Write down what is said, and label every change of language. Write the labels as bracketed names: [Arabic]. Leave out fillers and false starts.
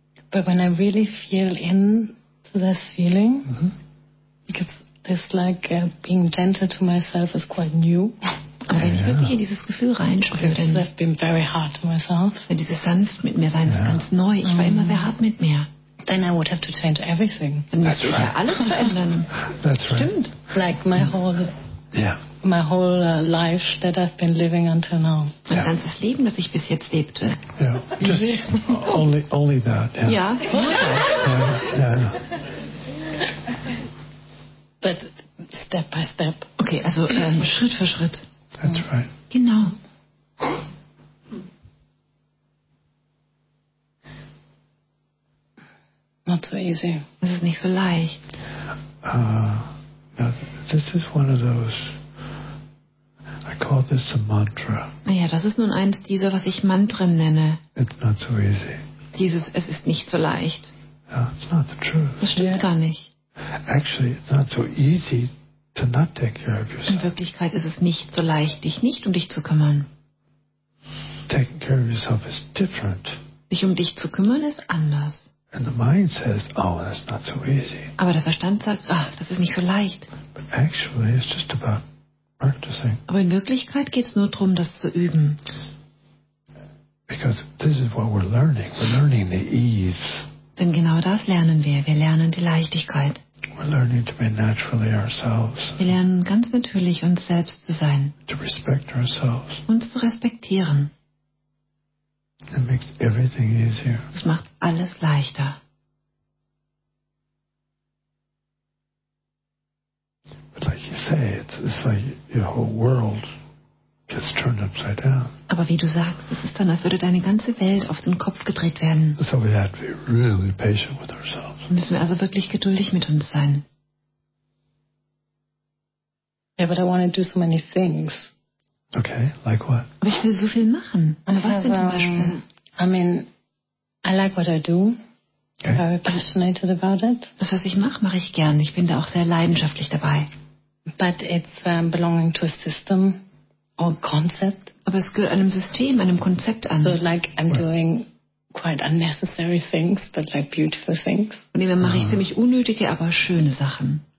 [English] But when I really feel in to this feeling, because this like being gentle to myself is quite new. [German] Aber wenn ich wirklich in dieses Gefühl reinspüre, [English] I've been very hard to myself. [German] Wenn dieses sanft mit mir sein ist ganz neu. Ich war immer sehr hart mit mir. [English] Then I would have to change everything. [German] Dann müsste ich ja alles verändern. [English] That's right. [German] Stimmt. [English] Like my whole life that I've been living until now. [German] Mein ganzes Leben, das ich bis jetzt lebte. [English] Yeah. Just only that. Yeah. But step by step. [German] Okay, also Schritt für Schritt. [English] That's right. [German] Genau. [English] Not so easy. [German] Das ist nicht so leicht. [English] Now, this is one of those call this a mantra. [German] Naja, das ist nun eins dieser, was ich Mantra nenne. [English] It's not so easy. [German] Dieses, es ist nicht so leicht. [English] Yeah, it's not the truth. [German] Das stimmt gar nicht. [English] Actually, it's not so easy to not take care of yourself. [German] In Wirklichkeit ist es nicht so leicht, dich nicht um dich zu kümmern. [English] Taking care of yourself is different. [German] Sich um dich zu kümmern ist anders. [English] And the mind says, oh, that's not so easy. [German] Aber der Verstand sagt, ach, das ist nicht so leicht. [English] But actually, it's just about practicing. [German] Aber in Wirklichkeit geht es nur darum, das zu üben. [English] Because this is what we're learning. We're learning the ease. [German] Denn genau das lernen wir. Wir lernen die Leichtigkeit. [English] We're learning to be naturally ourselves. [German] Wir lernen ganz natürlich, uns selbst zu sein. [English] To respect ourselves. [German] Uns zu respektieren. [English] It makes everything easier. [German] Es macht alles leichter. [English] But like you say, it's like your whole world gets turned upside down. [German] Aber wie du sagst, es ist dann, als würde deine ganze Welt auf den Kopf gedreht werden. [English] So we have to be really patient with ourselves. [German] Müssen wir also wirklich geduldig mit uns sein. [English] Yeah, but I want to do so many things. Okay, like what? [German] Aber ich will so viel machen. Und was denn zum Beispiel? [English] I mean, I like what I do. Okay. I'm passionate about it. [German] Das, was ich mache, mache ich gern. Ich bin da auch sehr leidenschaftlich dabei. [English] But it's belonging to a system or concept. [German] Aber es gehört einem System, einem Konzept an. [English] So like I'm doing quite unnecessary things, but like beautiful things. [German] Und dann mache ich ziemlich unnötige, aber schöne Sachen.